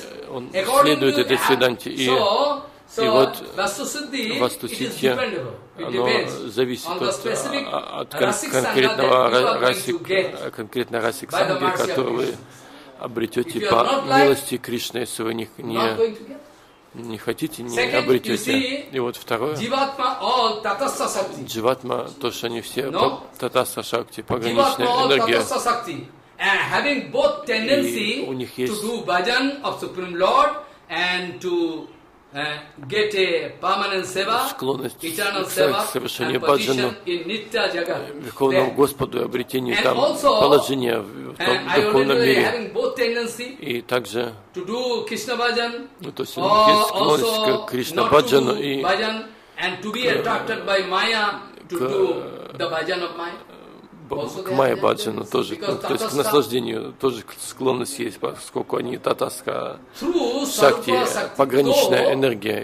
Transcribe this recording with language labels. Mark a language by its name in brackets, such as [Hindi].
[Russian] Он следует этой Сиддханте, и вот Vastu Siddhi, оно зависит от конкретного расик-санги, который вы обретете по милости Кришны, если вы не хотите, не обретете. И вот второе, дживатма, то, что они все татаса-шакти, пограничная энергия. [English] And having both tendency to do bhajan of Supreme Lord and to get a permanent seva, eternal seva, and position in Nitya Jagat. And also, I originally having both tendency to do Krishna bhajan, also not to do bhajan and to be attracted by Maya to do the bhajan of Maya. [Russian] К Майя Баджану тоже, то есть к наслаждению тоже склонность есть, поскольку они татаска шакти, пограничная энергия.